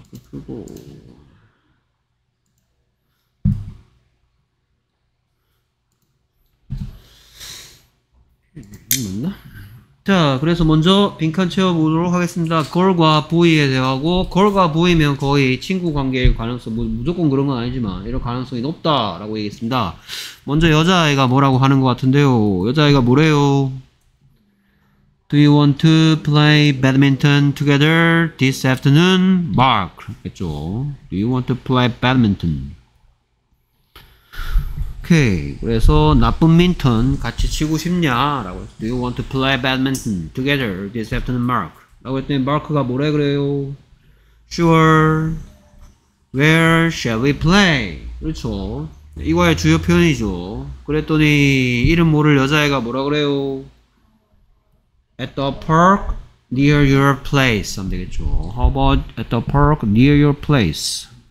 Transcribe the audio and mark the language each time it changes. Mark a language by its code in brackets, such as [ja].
[ko] 그리고 맞나? 자, 그래서 먼저 빈칸 채워보도록 하겠습니다. girl과 boy에 대화고 girl과 boy면 거의 친구 관계일 가능성 무조건 그런 건 아니지만 이런 가능성이 높다라고 얘기했습니다. 먼저 여자아이가 뭐라고 하는 것 같은데요. 여자아이가 뭐래요? [en] Do you want to play badminton together this afternoon, Mark? [ko] 그렇죠. [en] Do you want to play badminton? Okay. [ko] 그래서 나쁜 민턴 같이 치고 싶냐라고 했어. [en] Do you want to play badminton together this afternoon, Mark? [ko] 라고 했더니 Mark가 뭐래 그래요? Sure. [en] Where shall we play? [ko] 그렇죠. 이거의 주요 표현이죠. 그랬더니 이름 모를 여자애가 뭐라 그래요? [en] At the park near your place [ko] 하면 되겠죠. [en] How about at the park near your place?